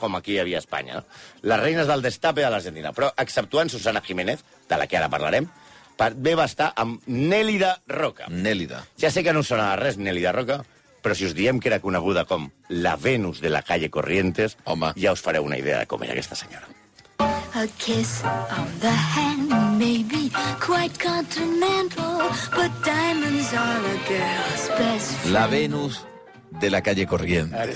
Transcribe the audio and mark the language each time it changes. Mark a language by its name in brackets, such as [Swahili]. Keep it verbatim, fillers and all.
[Catalan] Com aquí hi havia a Espanya. No? Les reines del destape de l'Argentina. Però, exceptuant Susana Jiménez, de la que ara parlarem, bé va estar amb Nélida Roca. Nélida. Ja sé que no us sonava res, Nélida Roca, però si us diem que era coneguda com la Venus de la calle Corrientes, home, ja us fareu una idea de com era aquesta senyora. [English] A kiss on the hand may be quite continental, but diamonds are a girl's best friend. [Spanish] La Venus de la calle Corrientes.